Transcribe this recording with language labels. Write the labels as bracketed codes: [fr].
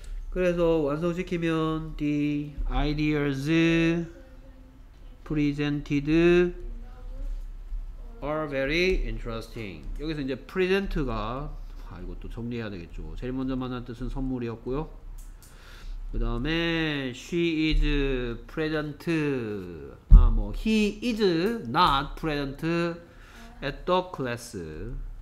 [ko] 그래서 완성시키면 [en] the ideas presented are very interesting. [ko] 여기서 이제 present가 이것도 정리해야 되겠죠. 제일 먼저 만난 뜻은 선물이었고요. 그 다음에 [en] she is present. 아, 뭐 he is not present at the class.